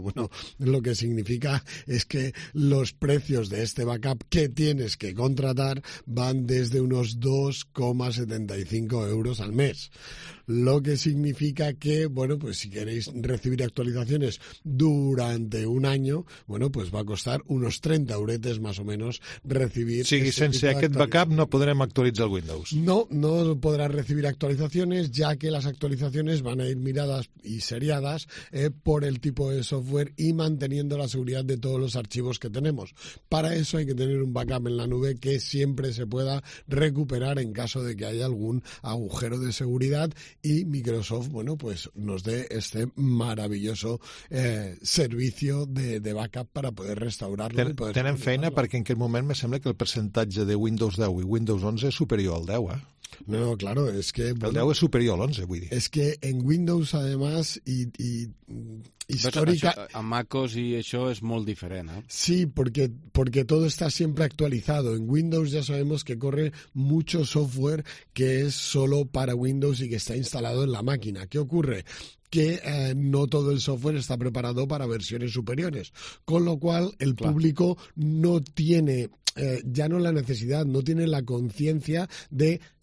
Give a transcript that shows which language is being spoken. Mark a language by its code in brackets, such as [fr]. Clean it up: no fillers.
[es] Bueno, lo que significa es que los precios de este backup que tienes que contratar van desde unos 2,75 euros al mes. Lo que significa que, bueno, pues si queréis recibir actualizaciones durante un año, bueno, pues va a costar unos 30 euretes más o menos recibir... [ca] Sí, sense aquest backup no podrem actualitzar el Windows. [es] No, no podrás recibir actualizaciones, ya que las actualizaciones van a ir miradas y seriadas por el tipo de software y manteniendo la seguridad de todos los archivos que tenemos. Para eso hay que tener un backup en la nube que siempre se pueda recuperar en caso de que haya algún agujero de seguridad. Y Microsoft, bueno, pues nos dé este maravilloso servicio de backup para poder restaurarlo. [ca] Tenen feina perquè en aquest moment me sembla que el percentatge de Windows 10 i Windows 11 és superior al 10, [es] No, claro, es que... [ca] El 10 es superior al 11, vull dir. [es] Es que en Windows, además, y histórica... [ca] A MacOS y això es molt diferent, [es] Sí, porque todo está siempre actualizado. En Windows ya sabemos que corre mucho software que es solo para Windows y que está instalado en la máquina. ¿Qué ocurre? Que no todo el software está preparado para versiones superiores. Con lo cual, el público no tiene, ya no la necesidad, no tiene la conciencia de...